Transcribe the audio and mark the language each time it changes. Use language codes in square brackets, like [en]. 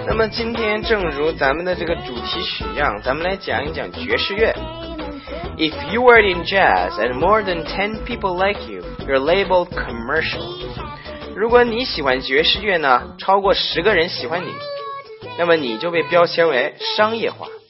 [zh] 那么今天正如咱们的这个主题曲一样，咱们来讲一讲爵士乐。 [en] If you were in jazz and more than 10 people like you, you're labeled commercial. [zh] 如果你喜欢爵士乐呢，超过十个人喜欢你，那么你就被标签为商业化。